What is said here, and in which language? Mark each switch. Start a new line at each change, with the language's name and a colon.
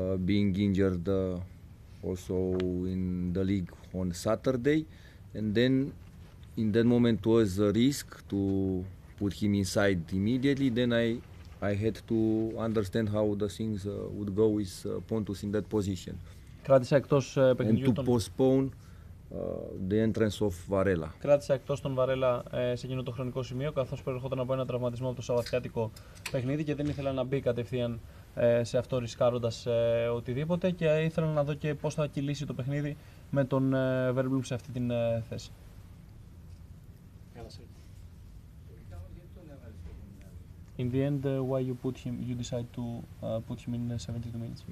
English: Being injured also in the league on Saturday, and then in that moment was a risk to put him inside immediately. Then I had to understand how the things would go with Pontus in that position.
Greek: Κράτησε εκτός παιχνιδιού τον...
English: And to postpone the entrance of Varela.
Greek: Κράτησε εκτός τον Βαρέλα σε εκείνο το χρονικό σημείο, καθώς προερχόταν από ένα τραυματισμό από το σαββατιάτικο παιχνίδι και δεν ήθελα να μπει κατευθείαν σε αυτό ρισκάροντας οτιδήποτε και ήθελα να δω και πώς θα κυλήσει το παιχνίδι με τον Verbloom σε αυτή την θέση.
English: In the end, why you put him? You decide to put him in 72 minutes?